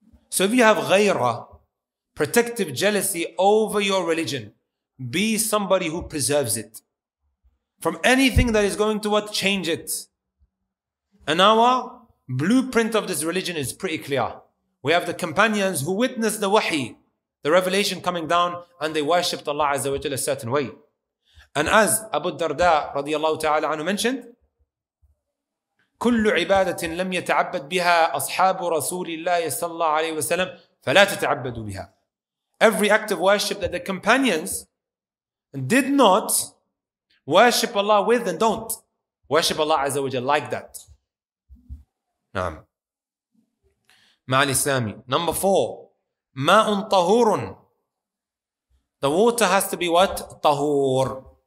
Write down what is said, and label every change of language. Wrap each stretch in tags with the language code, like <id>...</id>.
<en>So if you have ghayra, protective jealousy over your religion, be somebody who preserves it from anything that is going to what? Change it. And our blueprint of this religion is pretty clear. We have the companions who witnessed the wahi, the revelation coming down, and they worshipped Allah Azza wa Jalla a certain way. And as Abu Darda radiallahu ta'ala anhu mentioned,</en> <ar>كل عبادة لم يتعبد بها أصحاب رسول الله صلى الله عليه وسلم فلا تتعبدوا بها.</ar> <en>Every act of worship that the companions did not worship Allah with, then don't worship Allah Azza wa Jalla like that.</en> <ar>نعم. مع الإسلام.</ar> <en>Number four.</en> <ar>ماء طهور.</ar> <en>The water has to be what? طهور.</en>